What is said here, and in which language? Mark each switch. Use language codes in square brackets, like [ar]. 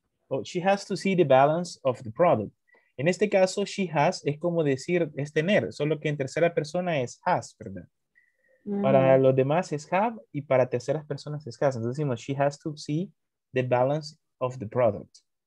[en] Oh, she has to see the balance of the product. [es] En este caso, [en] she has [es] es como decir, es tener, solo que en tercera persona es has, ¿verdad? Mm-hmm. Para los demás es have y para terceras personas es has. Entonces decimos, [en] she has to see the balance of the product.